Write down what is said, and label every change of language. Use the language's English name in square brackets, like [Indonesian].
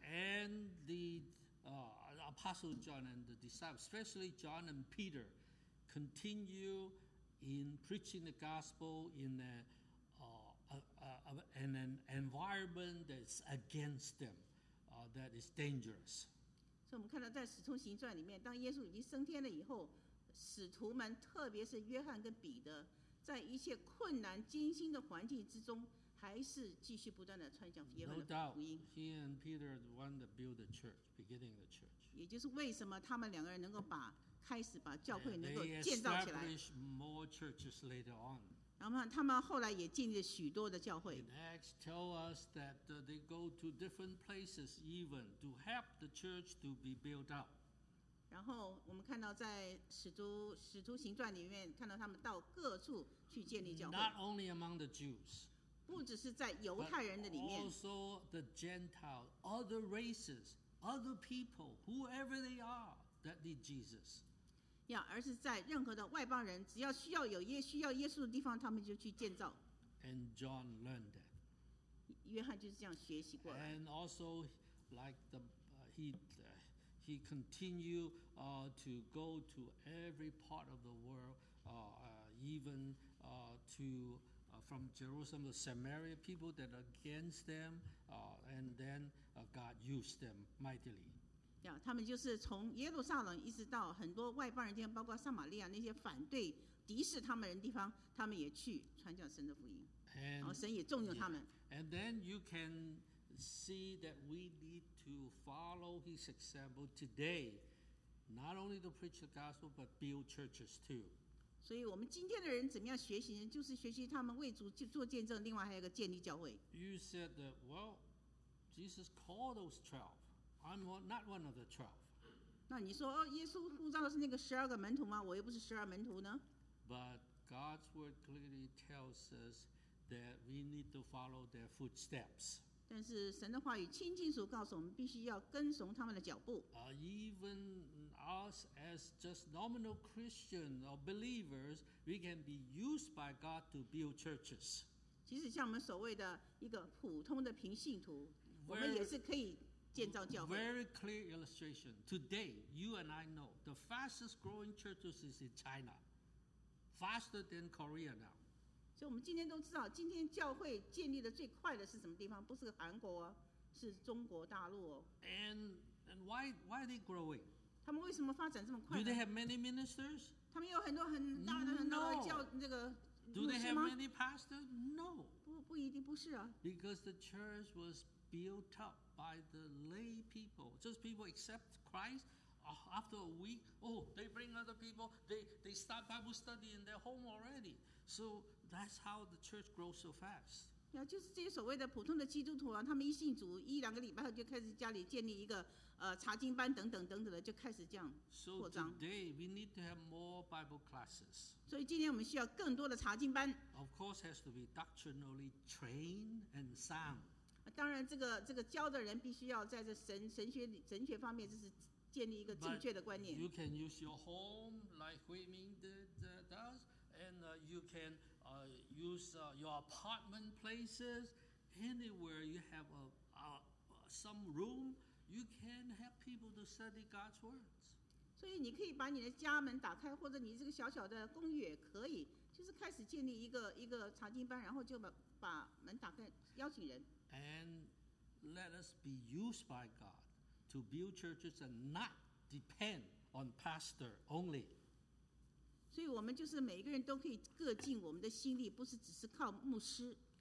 [English] And the Apostle John and the disciples, especially John and Peter, continue in preaching the gospel in an environment that's against them, that is dangerous. [Chinese] 所以我们看到在《使徒行传》里面，当耶稣已经升天了以后，使徒们，特别是约翰跟彼得，在一切困难艰辛的环境之中，还是继续不断的传讲耶和华的福音。 [English] No doubt, he and Peter wanted to build the church, beginning the church. [Chinese] 也就是为什么他们两个人能够把开始把教会能够建造起来。 [English] They established more churches later on. [Chinese] 然后他们后来也建立了许多的教会。 [English] In Acts, tell us that they go to different places even to help the church to be built up. [Chinese] 然后我们看到在使徒行传里面，看到他们到各处去建立教会。 [English] Not only among the Jews. [Chinese] 不只是在犹太人的里面 [English] but also the Gentiles, other races, other people, whoever they are, that need Jesus. Yeah, [Chinese] 而是在任何的外邦人，只要需要有耶，需要耶稣的地方，他们就去建造。 [English] And John learned that. [Chinese] 约翰就是这样学习过来。 [English] And also, like the, he continued to go to every part of the world, even to. From Jerusalem, the Samaria people that are against them, and then God used them mightily. Yeah, [Chinese] 他们就是从耶路撒冷一直到很多外邦人地方，包括撒玛利亚那些反对敌视他们人地方，他们也去传讲神的福音，然后神也重用他们。 [English] And then you can see that we need to follow His example today, not only to preach the gospel but build churches too. [Chinese] 所以我们今天的人怎么样学习呢？就是学习他们为主做见证，另外还有一个建立教会。 [English] You said that, well, Jesus called those 12. I'm not one of the 12. [Chinese] 那你说，哦，耶稣呼召的是那个十二个门徒吗？我又不是十二门徒呢。 [English] But God's word clearly tells us that we need to follow their footsteps. [Chinese] 但是神的话语清清楚告诉我们，必须要跟从他们的脚步。 [English] Even us as just nominal Christians or believers, we can be used by God to build churches. [Chinese] 即使像我们所谓的一个普通的平信徒，我们也是可以建造教会。 [English] Very clear illustration. Today, you and I know the fastest growing churches is in China, faster than Korea now. [Chinese] 所以我们今天都知道，今天教会建立的最快的是什么地方？不是韩国，是中国大陆。 [English] And why are they growing? [Chinese] 他们为什么发展这么快 [English] ？Do they have many ministers? [Chinese] 他们有很多很大的很多教这个牧师吗 [English] ？Do they have many pastors? No. [Chinese] 不一定不是啊。 [English] Because the church was built up by the lay people. Just people accept Christ. After a week, oh, they bring other people, they start Bible study in their home already. So that's how the church grows so fast. Yeah, [Chinese] 就是这些所谓的普通的基督徒啊，他们一信主一两个礼拜后就开始家里建立一个查经班等等等等的，就开始这样扩张。 [English] So today we need to have more Bible classes. [Chinese] 所以今天我们需要更多的查经班。 [English] Of course, has to be doctrinally trained and sound. [Chinese] 当然，这个教的人必须要在这神学方面，这是。建立一个正确的观念。 [English] But you can use your home like Hui Ming does, and you can use your apartment places, anywhere you have some room, you can help people to study God's words. [Chinese] 所以你可以把你的家门打开，或者你这个小小的公寓也可以，就是开始建立一个查经班，然后就把门打开，邀请人。 [English] And let us be used by God. To build churches and not depend on pastor only. [Chinese] 所以我们就是每个人都可以各尽我们的心力，不是只是靠牧师。